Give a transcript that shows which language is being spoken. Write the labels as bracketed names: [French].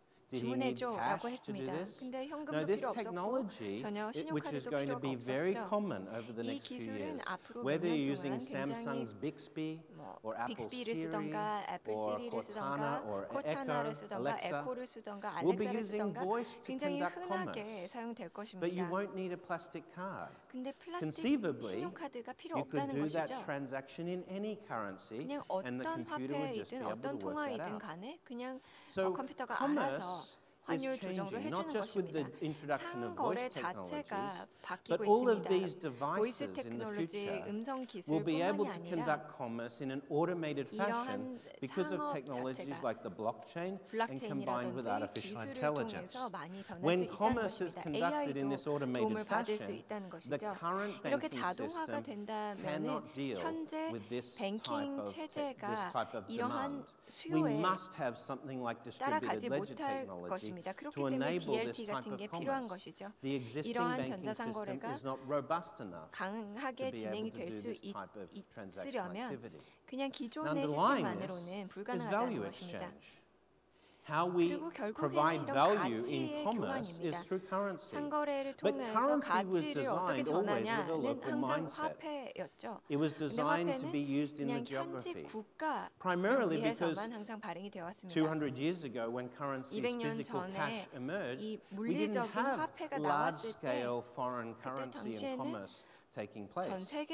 [English] Did he need cash to do this? No, this technology, which is going to be very common over the next few years, whether you're using Samsung's Bixby or Apple Siri or Cortana or Echo, Alexa, we'll be using voice to conduct commerce. But you won't need a plastic card. Conceivably, you could do that transaction in any currency and the computer would just be able to work that out. So commerce [Korean] 환율 조정도 해주는 것입니다. 상 거래 자체가 바뀌고 있습니다. 보이스 테크놀로지, 음성 기술뿐만이 아니라 이러한 상업 테크놀로지가 like 블록체인이라든지 기술을 통해서 많이 변할 수 있다는 것입니다. AI도 도움을 받을 수 있다는 것이죠. 이렇게 자동화가 된다면 현재 뱅킹 체제가 이러한 수요에 따라가지 못할 것입니다. 그렇기 때문에 DLT 같은 게 필요한 것이죠. 이러한 전자상거래가 강하게 진행이 될 수 있으려면 그냥 기존의 시스템만으로는 불가능하다는 것입니다. [English] How we provide value in commerce is through currency. But currency was designed always with a local mindset. It was designed to be used in the geography, primarily because 200 years ago, when currency, physical cash, emerged, we didn't have large-scale foreign currency in commerce. Taking place.